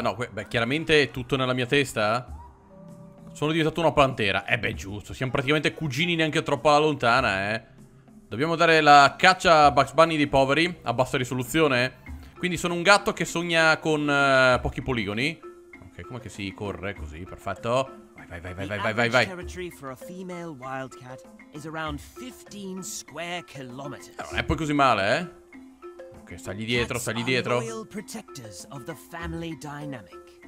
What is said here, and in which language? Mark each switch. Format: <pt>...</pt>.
<it>No, beh, chiaramente è tutto nella mia testa. Sono diventato una pantera. Eh beh, giusto. Siamo praticamente cugini neanche troppo alla lontana, Dobbiamo dare la caccia a Bugs Bunny dei poveri a bassa risoluzione. Quindi sono un gatto che sogna con pochi poligoni. Ok, come che si corre così? Perfetto. Vai.</it> <en>The territory for a female wildcat is around 15 square kilometers.</en> <it>Non è poi così male, Ok, stagli dietro, stagli dietro.</it> <en>Cats are loyal protectors of the family dynamic.</en>